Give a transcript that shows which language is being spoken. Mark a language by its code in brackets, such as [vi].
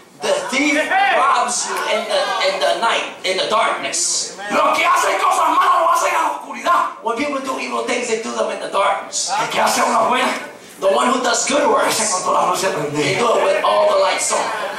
[en] The thief robs you in the night, in the darkness. [es] Los que hacen cosas malas lo hacen a la oscuridad. [en] When people do evil things, they do them in the darkness. [es] El que hace una buena. [en] The one who does good works. [es] Hace con toda la luz prendida. [en] They do it with all the lights on.